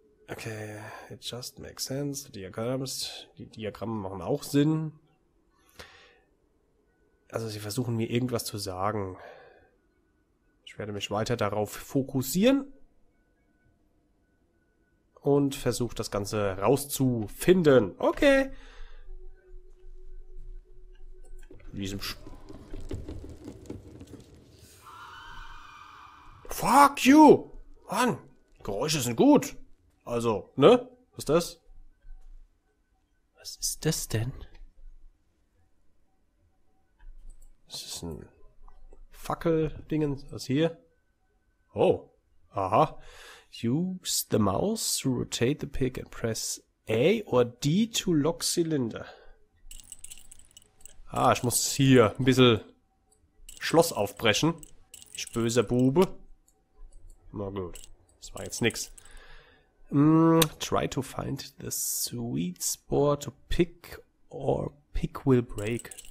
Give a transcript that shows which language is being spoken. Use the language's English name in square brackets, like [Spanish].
[English] Okay, it just makes sense. [German] Die Diagramme machen auch Sinn. Also sie versuchen mir irgendwas zu sagen. Ich werde mich weiter darauf fokussieren. Und versuche das Ganze rauszufinden. Okay. [English] Fuck you! [German] Mann, Geräusche sind gut. Also, ne? Was ist das? Was ist das denn? Das ist ein Fackeldingens, was hier? Oh, aha. [English] Use the mouse to rotate the pick and press A or D to lock cylinder. [German] Ah, ich muss hier ein bisschen Schloss aufbrechen. Ich böser Bube. Na gut, das war jetzt nix. [English] Try to find the sweet spot to pick or pick will break.